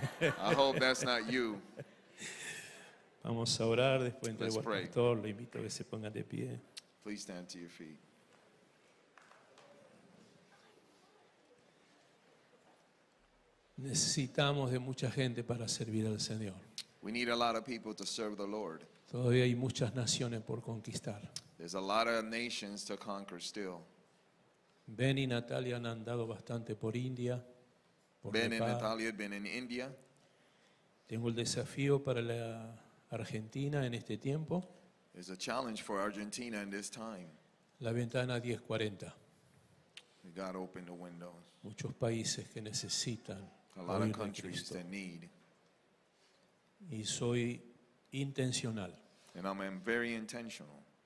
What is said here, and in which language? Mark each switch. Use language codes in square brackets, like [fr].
[en] I hope that's not you. [es] Vamos a orar después entre el pastor. Lo invito a que se ponga de pie. [en] Please stand to your feet. [es] Necesitamos de mucha gente para servir al Señor. [en] We need a lot of people to serve the Lord. [es] Todavía hay muchas naciones por conquistar. [en] There's a lot of nations to conquer still. [es] Ben y Natalia han andado bastante por India. Por [en] Ben [es] Nepal. [en] And Natalia have been in India. [es] Tengo el desafío para la Argentina en este tiempo. [en] There's a challenge for Argentina in this time. [es] La ventana 1040. [en] We got open the windows. [es] Muchos países que necesitan. [en] A lot of countries that need. [es] Y soy intencional. [en] And I'm very intentional.